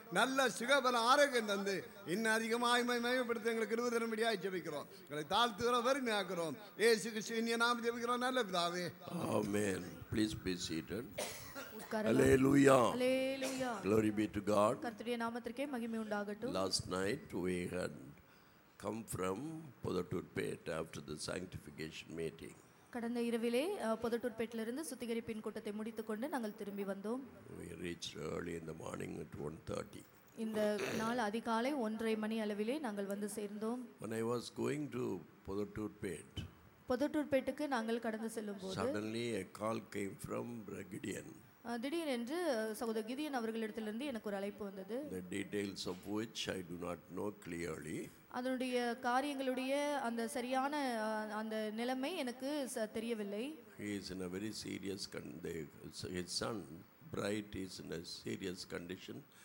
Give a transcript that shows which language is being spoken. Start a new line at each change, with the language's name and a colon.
Tamil: நல்ல சுகபல ஆரோக்கியம் தந்து இன்னும் அதிகமாக மேம்படுத்த எங்களுக்கு கிருபை தரும்படியாக ஜெபிக்கிறோம். எங்களை தாழ்த்துகிற வறுமை ஆக்குறோம் இயேசு கிறிஸ்துவின் நாம ஜெபிக்கிறோம் நல்ல பிதாவே.
English: ஆமென். Please be seated. Hallelujah. Hallelujah. Glory be to God.
Tamil: கர்த்தருடைய நாமத்திற்கே மகிமை உண்டாகட்டும்.
English: Last night we had come from Pudattur-pet after the sanctification meeting.
Tamil: கடந்த இரவிலே புதட்டூர்பேட்டிலிருந்து சுத்திகரிப்பின் கூட்டத்தை முடித்துக்கொண்டு நாங்கள் திரும்பி வந்தோம்.
English: We reached early in the morning at 1:30.
Tamil: இந்த நாள் அதிகாலை 1:30 மணி அளவிலே நாங்கள் வந்து சேர்ந்தோம்.
English: When I was going to Puthatturpet.
Tamil: புதட்டூர்பேட்டுக்கு நாங்கள் கடந்து செல்லும்போது
English: suddenly a call came from Gideon.
Tamil: திடீர் என்று சகோதர கிதியன் அவர்களிடத்திலிருந்து எனக்கு ஒரு அழைப்பு வந்தது.
English: The details of which I do not know clearly.
Tamil: அதனுடைய காரியங்களுடைய அந்த சரியான அந்த நிலைமை எனக்கு தெரியவில்லை.
English: He is in a very serious condition. His son, Bright, is in a serious condition.